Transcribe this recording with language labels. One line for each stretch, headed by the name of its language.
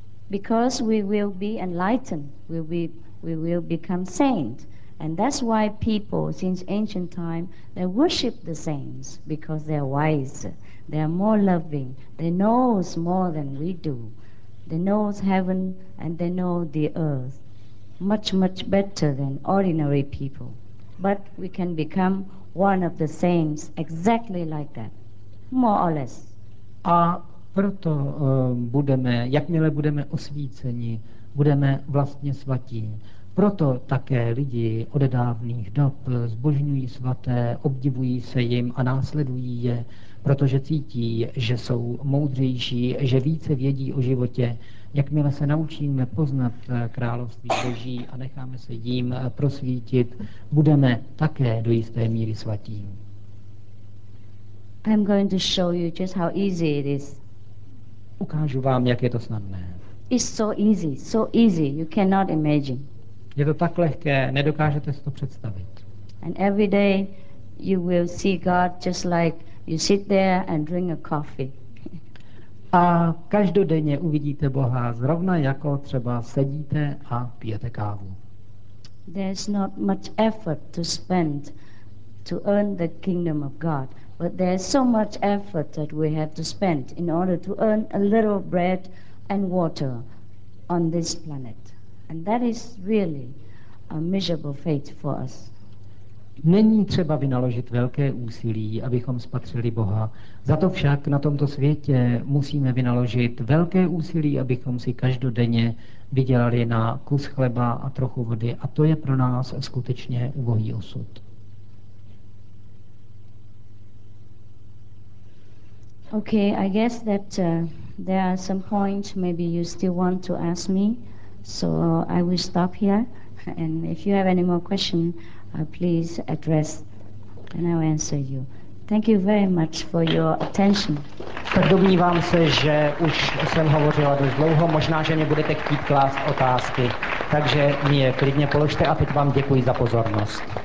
English: Because we will be enlightened, we will become saint, And that's why people since ancient time they worship the saints because they are wise, they are more loving, they know more than we do. They know heaven and they know the earth much, much better than ordinary people. But we can become one of the saints exactly like that, more or less.
Czech: A proto budeme, jakmile budeme osvíceni, budeme vlastně svatí. Proto také lidi od dávných dob zbožňují svaté, obdivují se jim a následují je, protože cítí, že jsou moudřejší, že více vědí o životě. Jakmile se naučíme poznat království Boží a necháme se jím prosvítit, budeme také do jisté míry svatí.
English: I'm going to show you just how easy it is.
Czech: Ukážu vám, jak je to snadné.
English: It's so easy, you cannot imagine.
Czech: Je to tak lehké, nedokážete si to představit.
English: And every day you will see God just like you sit there and drink a coffee.
Czech: A každodenně uvidíte Boha zrovna jako třeba sedíte a pijete kávu.
English: There's not much effort to spend to earn the kingdom of God, but there's so much effort that we have to spend in order to earn a little bread and water on this planet. And that is really a miserable fate for us.
Czech: Není třeba vynaložit velké úsilí, abychom spatřili Boha. Za to však na tomto světě musíme vynaložit velké úsilí, abychom si každodenně vydělali na kus chleba a trochu vody. A to je pro nás skutečně ubohý osud.
English: Okay, I guess that there are some points maybe you still want to ask me. So I will stop here, and if you have any more question, please address, and I will answer you. Thank you very much for your attention.
Czech: Tak domnívám se, že už jsem hovořila dost dlouho, možná, že mě budete chtít klást otázky, takže mi je klidně položte a teď vám děkuji za pozornost.